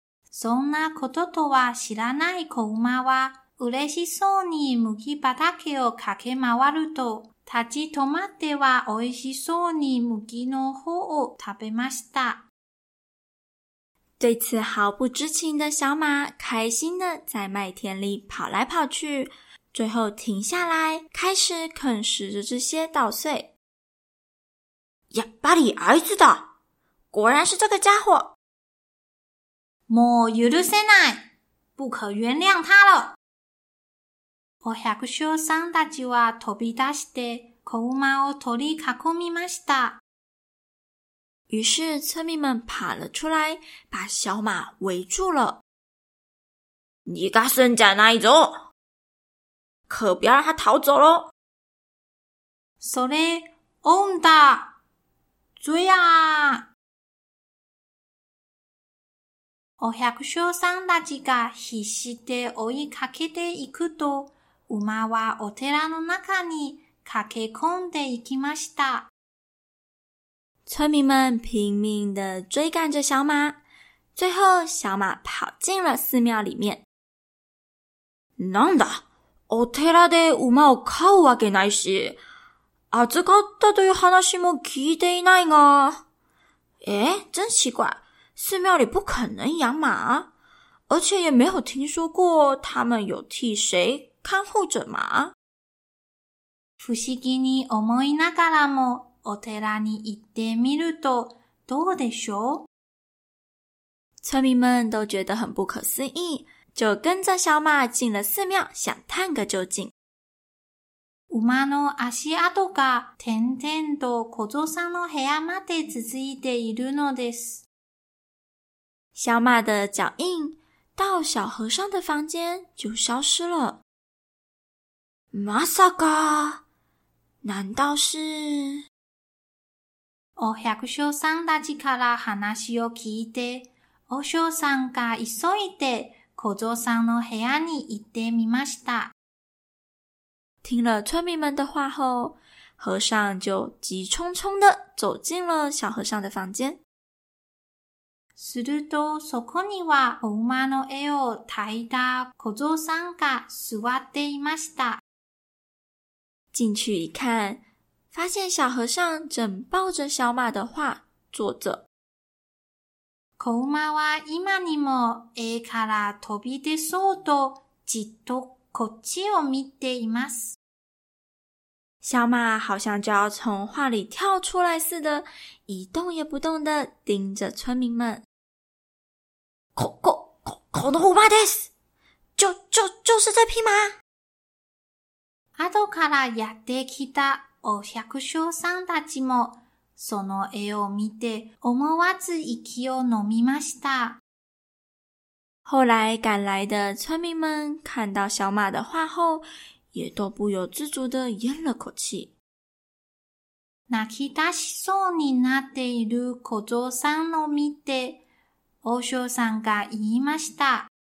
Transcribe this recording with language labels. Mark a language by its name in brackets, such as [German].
[Japanese] そんなこととは知らない子馬は、うれしそうに麦畑を駆け回ると、立ち止まっては美味しそうに麦の方を食べました。 [Chinese] 对此毫不知情的小马开心地在麦田里跑来跑去，最后停下来开始啃食着这些稻穗。 [Japanese] やっぱりあいつだ。 [Chinese] 果然是这个家伙。 [Japanese] もう許せない。 [Chinese] 不可原谅他了。 [Japanese] お百姓さんたちは飛び出して子馬を取り囲みました。 [Chinese] 于是村民们跑了出来，把小马围住了。 [Japanese] 逃がすんじゃないぞ。 [Chinese] 可不要让他逃走咯。 [Japanese] それ、オンだ。 [Chinese] 追啊。 [Japanese] お百姓さんたちが必死で追いかけていくと、馬はお寺の中に駆け込んでいきました。 [Chinese] 村民们拼命地追赶着小马，最后小马跑进了寺庙里面。 [Japanese] なんだ、お寺で馬を飼うわけないし、預かったという話も聞いていないが。 [Chinese] え、真奇怪、寺庙里不可能养马，而且也没有听说过他们有替谁看护着马。 [Japanese] 不思議に思いながらも、お寺に行ってみるとどうでしょう？ [Chinese] 村民们都觉得很不可思议，就跟着小马进了寺庙，想探个究竟。 [Japanese] 馬の足跡が点々と小僧さんの部屋まで続いているのです。 [Chinese] 小马的脚印到小和尚的房间就消失了。 [Japanese] まさか、 [Chinese] 難道是？ [Japanese] お百姓さんたちから話を聞いて、お嬢さんが急いで小僧さんの部屋に行ってみました。 [Chinese] 听了村民们的话后，和尚就急匆匆地走进了小和尚的房间。 [Japanese] するとそこにはお馬の絵を抱いた小僧さんが座っていました。 [Chinese] 进去一看，发现小和尚正抱着小马的画坐着。 [Japanese] 子馬は今にも絵から飛び出そうとじっとこっちを見ています。 [Chinese] 小马好像就要从画里跳出来似的，一动也不动地盯着村民们。 [Japanese] この馬です。 [Chinese] 就是这匹马。 [Japanese] 後からやってきたお百姓さんたちもその絵を見て思わず息を呑みました。 [Chinese] 後来赶来的村民们看到小马的画后，也都不由自主地咽了口气。 [Japanese] 泣き出しそうになっている小僧さんを見て、お嬢さんが言いました。